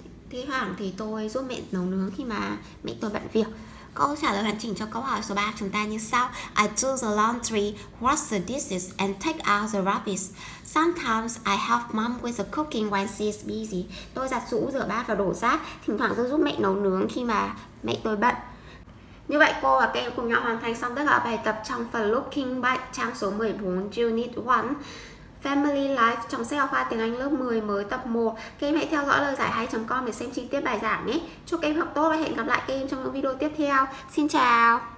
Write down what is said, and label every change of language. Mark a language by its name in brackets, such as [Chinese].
[Vietnamese] Thi thoảng thì tôi giúp mẹ nấu nướng khi mà mẹ tôi bận việc. Câu trả lời hoàn chỉnh cho câu hỏi số 3 chúng ta như sau. [English] I do the laundry, wash the dishes and take out the rubbish. Sometimes I help mom with the cooking when she is busy. [Vietnamese] Tôi giặt giũ, rửa bát và đổ rác. Thỉnh thoảng tôi giúp mẹ nấu nướng khi mà mẹ tôi bận. Như vậy cô và các em cùng nhau hoàn thành xong tất cả bài tập trong phần Looking Back trang số 14, Unit 1. Family Life trong sách giáo khoa tiếng Anh lớp 10 mới tập 1. Các em hãy theo dõi lời giải hay.com để xem chi tiết bài giảng nhé. Chúc các em học tốt và hẹn gặp lại các em trong những video tiếp theo. Xin chào!